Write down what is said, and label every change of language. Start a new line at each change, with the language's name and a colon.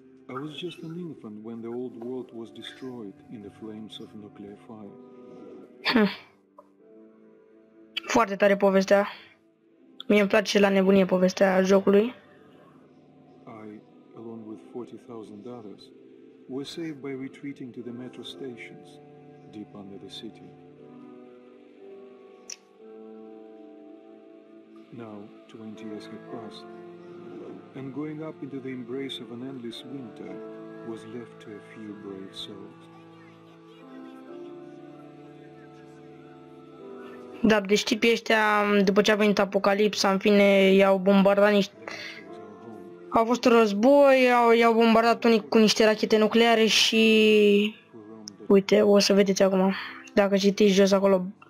English: I was just an infant when the old world was destroyed in the flames of nuclear fire.
Romanian: Foarte tare povestea. Mie îmi place la nebunie povestea jocului.
English: I, along with 40,000 others, were saved by retreating to the metro stations deep under the city. Now, 20 years have passed. And going up into the embrace of an endless winter was left to a few brave souls.
Romanian: Da, deci tipii ăștia, după ce a venit apocalipsa, în fine, i-au bombardat niște... Au fost război, i-au bombardat unii cu niște rachete nucleare și... Uite, o să vedeți acum, dacă citiți jos acolo.